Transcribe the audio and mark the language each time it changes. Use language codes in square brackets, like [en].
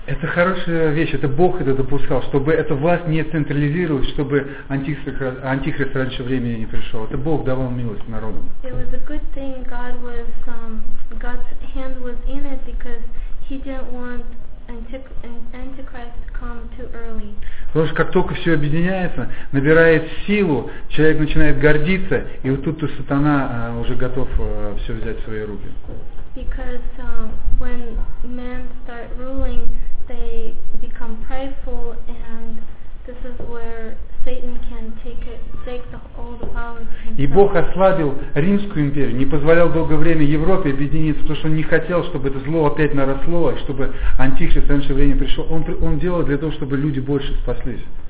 [ru] Это хорошая вещь, это Бог это допускал, чтобы эта власть не централизировалась, чтобы антихрист раньше времени не пришел. Это Бог давал милость народам. [en] It was a good thing God was God's hand was in it because he didn't want Antichrist come too early. [ru] Потому что как только все объединяется, набирает силу, человек начинает гордиться, и вот тут сатана уже готов все взять в свои руки. [en] Because when men start ruling, they become prideful, and this is where Satan can take all the power. [ru] И Бог ослабил Римскую империю, не позволял долгое время Европе объединиться, потому что он не хотел, чтобы это зло опять наросло, и чтобы антихрист в раньше время пришел. Он делал для того, чтобы люди больше спаслись.